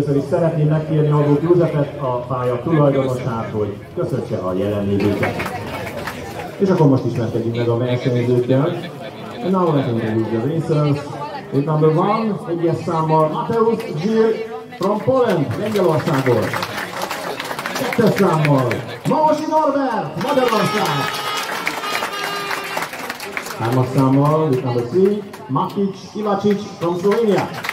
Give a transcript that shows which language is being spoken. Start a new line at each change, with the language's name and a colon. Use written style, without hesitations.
Hungarian: Szeretném megkérni Adót Józsefet, a pálya tulajdonosát, hogy köszöntse a jelenlévőket. És akkor most ismertetjük meg a versenyzőkkel.
English: And now let's introduce the racers. With number one,
Hungarian: egyes számmal
English: Mateusz Gyil from Poland,
Hungarian: Lengyelországból. Kettes számmal Maosi Norbert, Magyarország. Hármas számmal,
English: with number three, Matic Ivacic from Slovenia.